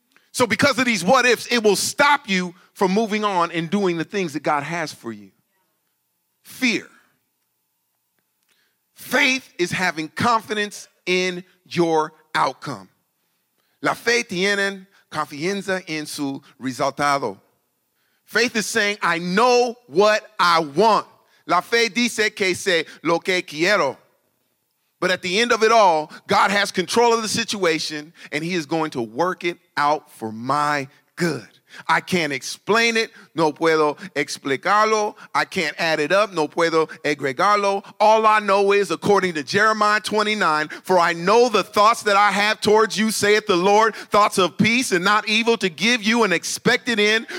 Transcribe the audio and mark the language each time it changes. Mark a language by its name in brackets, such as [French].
[English] So because of these what ifs, it will stop you from moving on and doing the things that God has for you. Fear. Faith is having confidence in your outcome. [Spanish] La fe tiene confianza en su resultado. [English] Faith is saying, I know what I want. [Spanish] La fe dice que sé lo que quiero. [English] But at the end of it all, God has control of the situation, and he is going to work it out for my good. I can't explain it. [Spanish] No puedo explicarlo. [English] I can't add it up. [Spanish] No puedo agregarlo. [English] All I know is, according to Jeremiah 29, for I know the thoughts that I have towards you, saith the Lord, thoughts of peace and not evil, to give you an expected end.